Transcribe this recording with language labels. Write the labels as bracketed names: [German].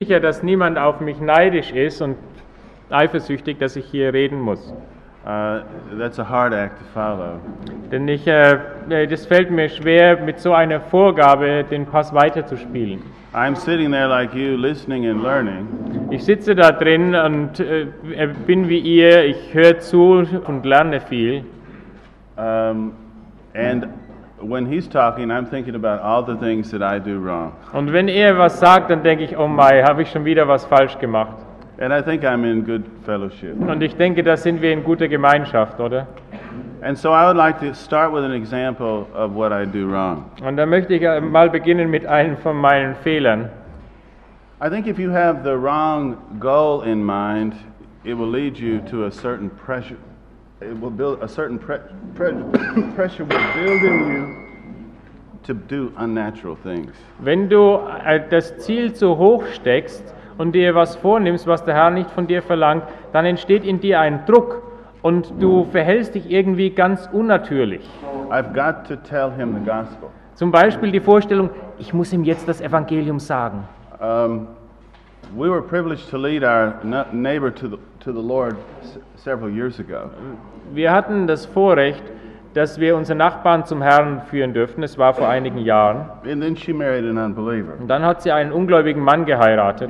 [German] Sicher, dass niemand auf mich neidisch ist und eifersüchtig, dass ich hier reden muss. [English] That's a hard act to follow. [German] Denn ich, das fällt mir schwer, mit so einer Vorgabe den Pass weiterzuspielen. [English] I'm sitting there like you, listening and learning. [German] Ich sitze da drin und bin wie ihr. Ich höre zu und lerne viel. [English] And when he's talking, I'm thinking about all the things that I do wrong. [German] Und wenn er was sagt, dann denke ich, oh mein, habe ich schon wieder was falsch gemacht. [English] And I think I'm in good fellowship. [German] Und ich denke, da sind wir in guter Gemeinschaft, oder? [English] And so I would like to start with an example of what I do wrong. [German] Und da möchte ich mal beginnen mit einem von meinen Fehlern. [English] I think if you have the wrong goal in mind, it will lead you to a certain pressure. It will build a certain pressure will build in you to do unnatural things. [German] Wenn du das Ziel zu hoch steckst und dir was vornimmst, was der Herr nicht von dir verlangt, dann entsteht in dir ein Druck und du verhältst dich irgendwie ganz unnatürlich. [English] I've got to tell him the gospel. [German] Zum Beispiel die Vorstellung, ich muss ihm jetzt das Evangelium sagen. [English] We were privileged to lead our neighbor to the Lord several years ago. [German] Wir hatten das Vorrecht, dass wir unsere Nachbarn zum Herrn führen dürfen. Es war vor einigen Jahren. [English] And then she married an unbeliever. [German] Und dann hat sie einen ungläubigen Mann geheiratet.